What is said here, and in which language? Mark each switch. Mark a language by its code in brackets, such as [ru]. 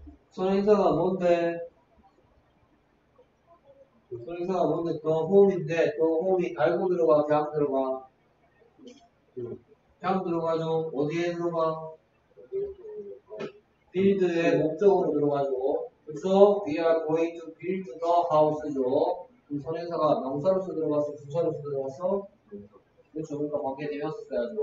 [ko] 선행사가 뭔데? 선행사가 뭔데? 더 홈인데 더 홈이 달고 들어가 그냥 들어가 그냥 들어가죠. 어디에 들어가? 빌드의 목적으로 들어가죠. 그래서 [en] we are going to build the house죠. [ko] 선행사가 명사로서 들어가서 부사로서 들어가서 그렇죠. 그러니까 관계되었어야죠.